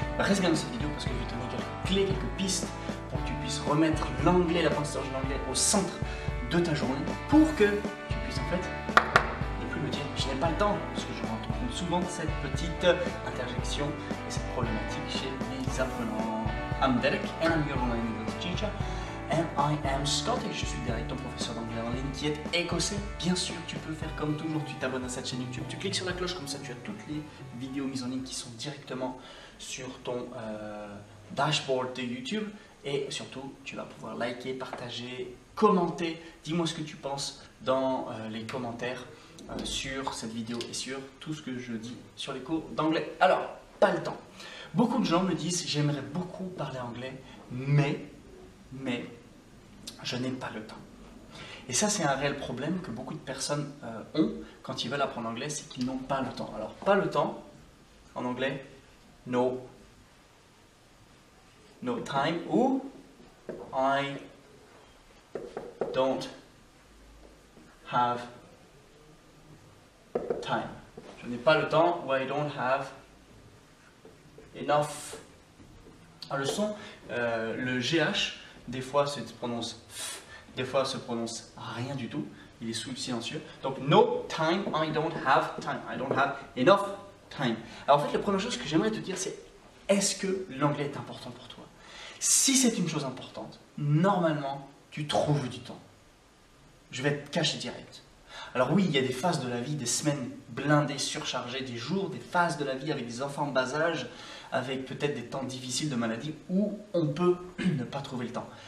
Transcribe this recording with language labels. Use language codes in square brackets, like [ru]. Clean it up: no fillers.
[fr] Reste bien dans cette vidéo parce que je vais te donner quelques clés, quelques pistes pour que tu puisses remettre l'anglais, l'apprentissage de l'anglais au centre de ta journée pour que tu puisses en fait ne plus me dire je n'ai pas le temps parce que je rencontre souvent cette petite interjection et cette problématique chez mes apprenants. [en] I'm Derek and I'm your online English teacher. And I am Scottish, [fr] je suis Derek, ton professeur d'anglais en ligne qui est écossais. Bien sûr, tu peux faire comme toujours, tu t'abonnes à cette chaîne YouTube, tu cliques sur la cloche, comme ça tu as toutes les vidéos mises en ligne qui sont directement sur ton dashboard de YouTube. Et surtout, tu vas pouvoir liker, partager, commenter. Dis-moi ce que tu penses dans les commentaires sur cette vidéo et sur tout ce que je dis sur les cours d'anglais. Alors, pas le temps. Beaucoup de gens me disent, j'aimerais beaucoup parler anglais, mais je n'ai pas le temps. Et ça, c'est un réel problème que beaucoup de personnes ont quand ils veulent apprendre l'anglais, c'est qu'ils n'ont pas le temps. Alors, pas le temps, en anglais, no. [en] No time, ou I don't have time. [fr] Je n'ai pas le temps, ou [en] I don't have enough. [fr] Alors, le GH, des fois, ça se prononce F, des fois, ça se prononce rien du tout. Il est sous le silencieux. [en] Donc, no time, I don't have time. I don't have enough time. [fr] Alors, en fait, la première chose que j'aimerais te dire, c'est est-ce que l'anglais est important pour toi? Si c'est une chose importante, normalement, tu trouves du temps. Je vais te cacher direct. Alors oui, il y a des phases de la vie, des semaines blindées, surchargées, des jours, des phases de la vie avec des enfants en bas âge, avec peut-être des temps difficiles de maladie où on peut ne pas trouver le temps.